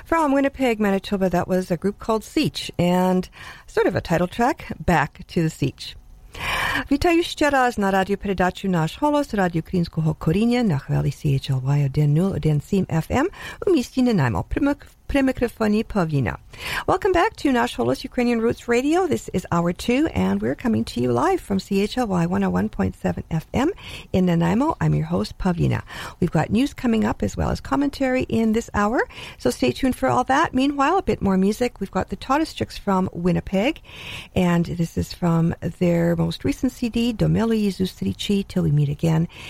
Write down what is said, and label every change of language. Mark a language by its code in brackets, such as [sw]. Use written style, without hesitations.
[en] Winnipeg, Manitoba, that was a group called Siege, and sort of a title track, Back to the Siege. [uk] Вітаю ще раз на радіопередачу «Наш голос» радіоукраїнського коріння на хвилі CHLY 101.7 FM у місті Нанаймо. при микрофоні Павлина. [en] Welcome back to Наш Голос Ukrainian Roots Radio. This is Hour 2, and we're coming to you live from CHLY 101.7 FM in Nanaimo. I'm your host, Pavlina. We've got news coming up as well as commentary in this hour, so stay tuned for all that. Meanwhile, a bit more music. We've got the Todestricks from Winnipeg, and this is from their most recent CD, Domili Zustrici, Till We Meet Again.